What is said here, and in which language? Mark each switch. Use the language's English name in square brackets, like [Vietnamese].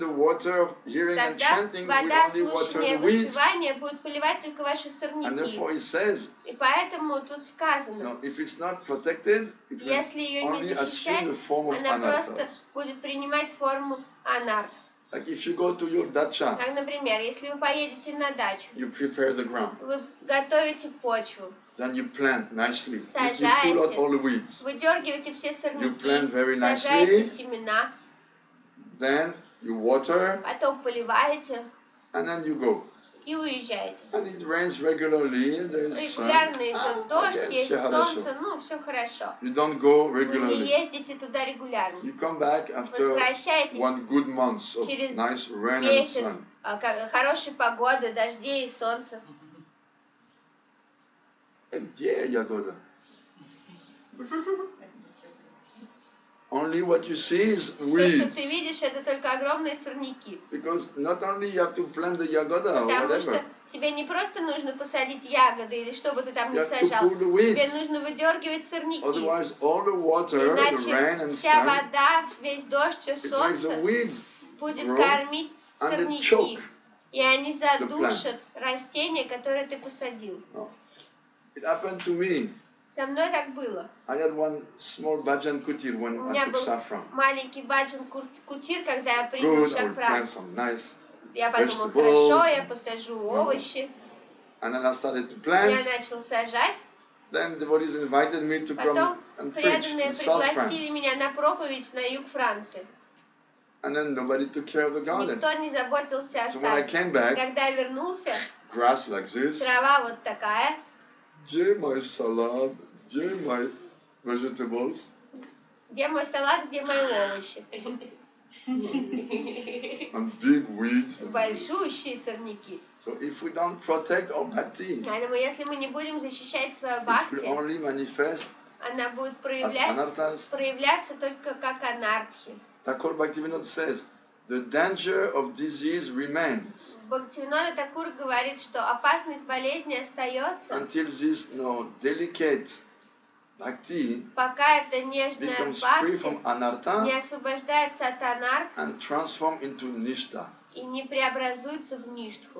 [English] the water of hearing and chanting will only water the weeds. And therefore it says, if it's not protected, it will only assume the form of anarchos. Like if you go to your dacha, [Russian] так, например, если вы поедете на дачу, [English] you prepare the ground. [Russian] Вы готовите почву. [English] Then you plant nicely. [Russian] Сажаете, [English] you pull out all the weeds. [Russian] Выдергиваете все сорняки. [English] You plant very nicely. [Russian] Сажаете семена. [English] Then you water. [Russian] Потом поливаете. [English] And then you go. [Russian] И уезжаете. [English] And it rains regularly. [Russian] Регулярно идет дождь, есть солнце, ну все хорошо. [English] You don't go regularly. [Russian] Вы не ездите туда регулярно. [English] You come back after one good month of nice rain [Russian] месяц, [English] and sun. [Russian] Хорошей погоды, дождей и солнца. Где ягода? [English] Only what you see is weeds. [Russian] Что ты видишь, это только огромные сорняки. [English] Because not only you have to plant the yagoda or whatever. [Russian] Потому что тебе не просто нужно посадить ягоды или что бы ты там ни сажал. Тебе нужно выдергивать сорняки. [English] Otherwise, all the water, [Russian] иначе [English] the rain and [Russian] вся вода, весь дождь, все солнце будет кормить сорняки. И они задушат растения, которые ты посадил. [English] It happened to me. [Russian] Со мной так было. [English] I had one small bajan kutir when I took saffron. [Russian] Маленький баджан кутир, когда я принял шафран. [English] Nice. [Russian] Я подумал, хорошо, я посажу овощи. [English] And then I started to plant. [Russian] Я начал сажать. [English] Then the devotees invited me to come and preach in South France. [Russian] Пригласили меня на проповедь на юг Франции. [English] And then nobody took care of the garden. [Russian] Никто не заботился о саду. [English] So when I came back, [Russian] когда я вернулся, [English] grass like this, [Russian] трава вот такая. Где мой салат? Где мои [English] vegetables? [Russian] Где мой салат? Где мои овощи? [English] And big weeds. [Russian] Большущие сорняки. [English] So if we don't protect our bhakti, [Russian] поэтому если мы не будем защищать свою бхакти, [English] it will only manifest, [Russian] она будет проявляться только как анархи. [English] Thakur Bhaktivinoda says, the danger of disease remains. [Russian] Бхактивинода Такур говорит, что опасность болезни остается. [English] Until this, no, delicate bhakti, [Russian] пока эта нежная бхакти не освобождается от анартха, [English] and transform into ништа, [Russian] и не преобразуется в ништху,